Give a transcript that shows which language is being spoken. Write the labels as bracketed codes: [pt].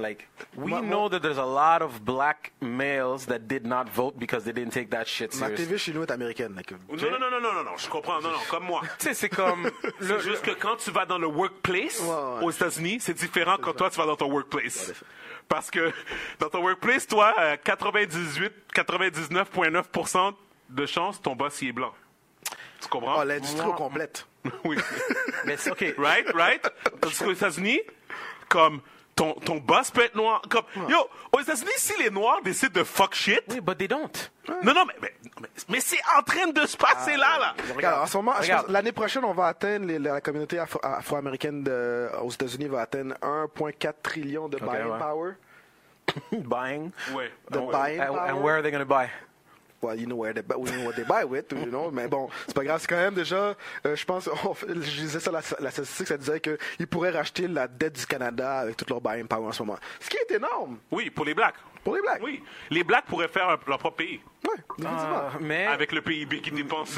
[en] Like, we know that there's a lot of black males that did not vote because they didn't take that shit seriously. [fr] Ma TV chez nous est américaine. Like, okay? Non, je comprends. Non, comme moi. Tu sais, c'est comme... c'est juste que quand tu vas dans le workplace aux États-Unis, c'est différent quand toi, tu vas dans ton workplace. Parce que dans ton workplace, toi, 99.9% de chance, ton boss, il est blanc. Tu comprends? Oh, l'industrie au complète. Oui. Mais c'est OK. [en] Right, right? [fr] Parce qu'aux États-Unis, comme... Ton boss peut être noir. Comme, yo, aux États-Unis, si les noirs décident de [en] fuck shit. [fr] Oui, [en] but they don't. [fr] Non, mais c'est en train de se passer là. Regarde, en ce moment, l'année prochaine, on va atteindre, la communauté afro-américaine aux États-Unis va atteindre 1,4 trillion de buying power. Buying? Oui. De buying power. [en] And where are they going to buy? Well, you know where they we know what they buy with, you know. [fr] Mais bon, c'est pas grave. C'est quand même déjà, je pense, je disais ça, la statistique, ça disait qu'ils pourraient racheter la dette du Canada avec toute leur buying power en ce moment. Ce qui est énorme. Oui, pour les blacks. Pour les blacks. Oui, les blacks pourraient faire leur propre pays. Oui, définitivement. Mais... avec le PIB qui dépense.